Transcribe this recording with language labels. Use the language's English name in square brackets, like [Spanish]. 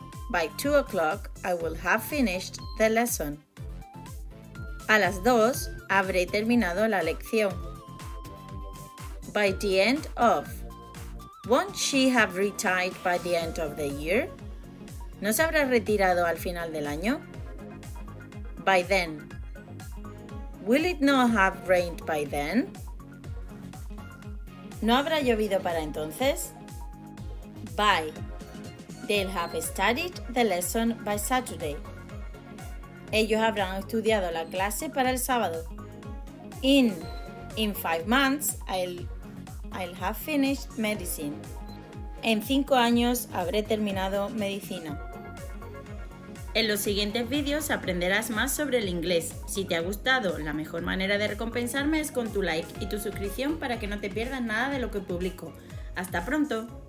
[English] By 2 o'clock, I will have finished the lesson. [Spanish] A las 2, habré terminado la lección. [English] By the end of. Won't she have retired by the end of the year? [Spanish] ¿No se habrá retirado al final del año? [English] By then. Will it not have rained by then? [Spanish] ¿No habrá llovido para entonces? [English] By. They'll have studied the lesson by Saturday. [Spanish] Ellos habrán estudiado la clase para el sábado. [English] In 5 months, I'll have finished medicine. [Spanish] En 5 años habré terminado medicina. En los siguientes vídeos aprenderás más sobre el inglés. Si te ha gustado, la mejor manera de recompensarme es con tu like y tu suscripción para que no te pierdas nada de lo que publico. ¡Hasta pronto!